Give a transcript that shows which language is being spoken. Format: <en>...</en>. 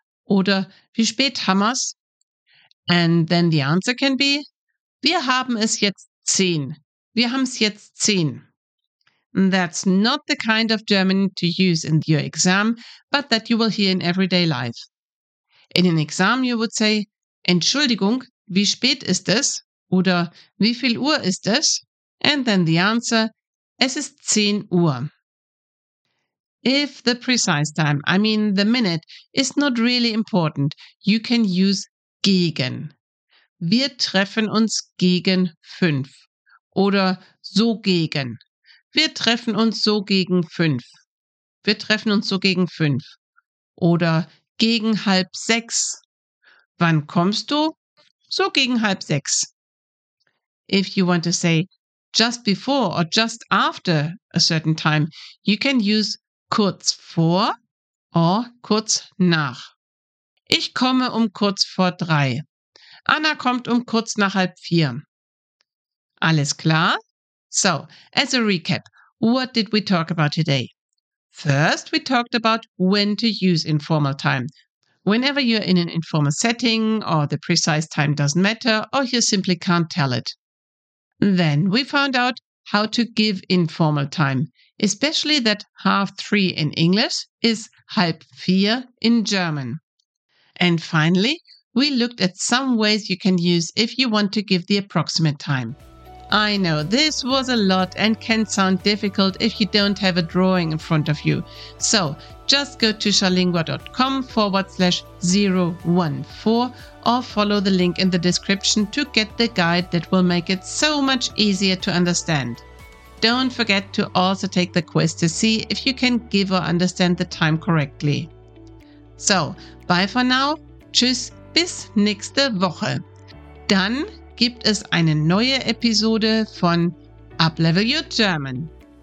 <de>Oder wie spät haben wir's?</de> <en>And then the answer can be,</en> <de>wir haben es jetzt 10. Wir haben es jetzt 10.</de> <en>That's not the kind of German to use in your exam, but that you will hear in everyday life. In an exam you would say,</en> <de>Entschuldigung, wie spät ist es? Oder wie viel Uhr ist es?</de> <en>And then the answer,</en> <de>es ist 10:00.</de> <en>If the precise time, I mean the minute, is not really important, you can use gegen.</en> <de>Wir treffen uns gegen 5. Oder so gegen. Wir treffen uns so gegen 5. Wir treffen uns so gegen 5. Oder gegen 5:30. Wann kommst du? So gegen 5:30.</de> <en>If you want to say just before or just after a certain time, you can use kurz vor</en> <de>Oh, kurz nach. Ich komme um kurz vor drei. Anna kommt um kurz nach halb vier. Alles klar?</de> <en>So, as a recap, what did we talk about today? First, we talked about when to use informal time. Whenever you're in an informal setting or the precise time doesn't matter or you simply can't tell it. Then we found out how to give informal time, especially that half three in English is</en> <de>halb vier</de> <en>in German. And finally, we looked at some ways you can use if you want to give the approximate time. I know this was a lot and can sound difficult if you don't have a drawing in front of you. So just go to charlingua.com/014 or follow the link in the description to get the guide that will make it so much easier to understand. Don't forget to also take the quiz to see if you can give or understand the time correctly. So, bye for now.</en> <de>Tschüss, bis nächste Woche. Dann gibt es eine neue Episode von Uplevel Your German.</de>